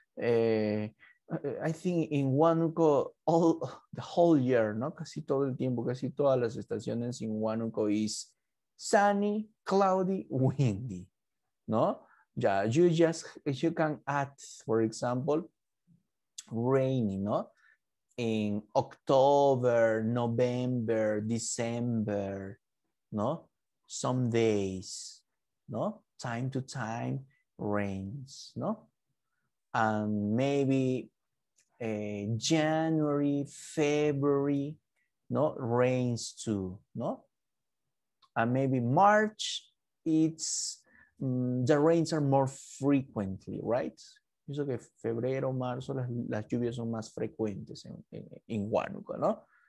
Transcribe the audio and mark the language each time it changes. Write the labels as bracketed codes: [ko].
[en] I think in Huánuco, all the whole year, no? [es] Casi todo el tiempo, casi todas las estaciones [en] in Huánuco is sunny, cloudy, windy, no? Yeah, you can add, for example, rainy, no? In October, November, December, no? Some days, no? Time to time, rains, no? And maybe January, February, no? Rains too, no? And maybe March, it's the rains are more frequently, right? [es] Eso que febrero, marzo, las lluvias son más frecuentes en Huánuco, no?